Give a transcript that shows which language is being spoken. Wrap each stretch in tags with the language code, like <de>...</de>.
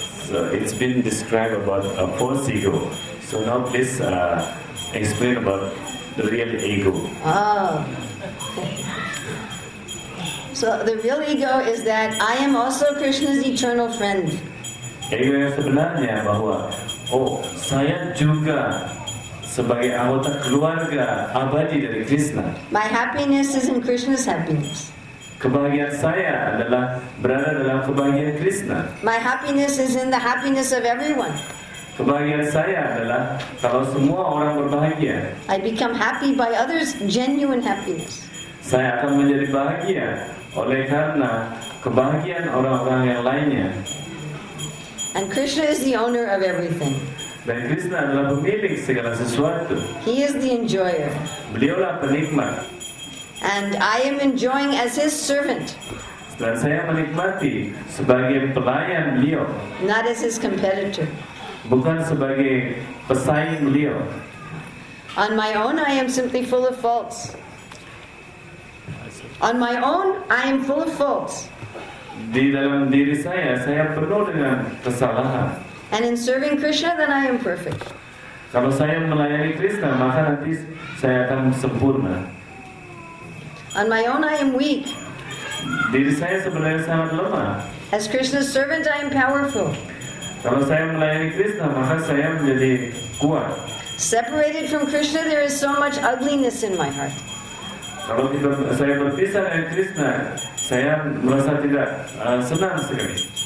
<en>So it's been described about a false ego. So now please explain about the real ego. Oh. So the real ego is that I am also Krishna's eternal friend.</en> <id>Ego yang sebenarnya bahwa oh saya juga sebagai anggota keluarga abadi dari Krishna.</id> <en>My happiness is in Krishna's happiness.</en> <id>Kebahagiaan saya adalah berada dalam kebahagiaan Krishna.</id> <en>My happiness is in the happiness of everyone.</en> <id>Kebahagiaan saya adalah kalau semua orang berbahagia.</id> <en>I become happy by others' genuine happiness.</en> <id>Saya akan menjadi bahagia oleh karena kebahagiaan orang-orang yang lainnya.</id> <en>And Krishna is the owner of everything.</en> <id>Dan Krishna adalah pemilik segala sesuatu.</id> <en>He is the enjoyer.</en> <id>Beliaulah penikmat.</id> <en>And I am enjoying as his servant.</en> <id>Dan saya menikmati sebagai pelayan beliau.</id> <en>Not as his competitor.</en> <id>Bukan sebagai pesaing beliau.</id> <en>On my own, I am simply full of faults. On my own, I am full of faults.</en> <id>Di dalam diri saya penuh dengan kesalahan.</id> <en>And in serving Krishna, then I am perfect.</en> <id>Kalau saya melayani Krishna, maka nanti saya akan sempurna.</id> <en>On my own, I am weak.</en> <id>Diri saya sebenarnya sangat lemah.</id> <en>As Krishna's servant, I am powerful.</en> <id>Kalau saya melayani Krishna, maka saya menjadi kuat.</id> <en>Separated from Krishna, there is so much ugliness in my heart.</en> <id>Kalau saya berpisah dengan Krishna, saya merasa tidak senang sekali.</id>